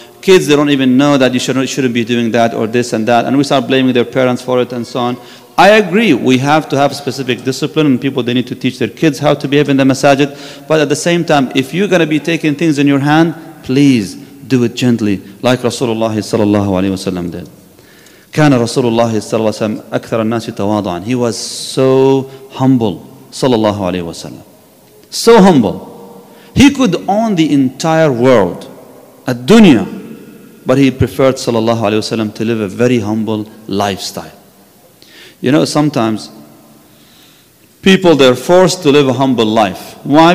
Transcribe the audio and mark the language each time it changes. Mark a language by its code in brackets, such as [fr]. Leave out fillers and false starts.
[en] Kids, they don't even know that you shouldn't be doing that or this and that. And we start blaming their parents for it and so on. I agree, we have to have specific discipline and people, they need to teach their kids how to behave in the masajid. But at the same time, if you're going to be taking things in your hand, please do it gently, like Rasulullah sallallahu alayhi wa sallam did. [ar] كان رسول الله صلى الله عليه وسلم أكثر الناس تواضعا. [en] He was so humble, صلى الله عليه وسلم. So humble. He could own the entire world, الدنيا, but he preferred, صلى الله عليه وسلم, to live a very humble lifestyle. You know, sometimes people, they're forced to live a humble life. Why?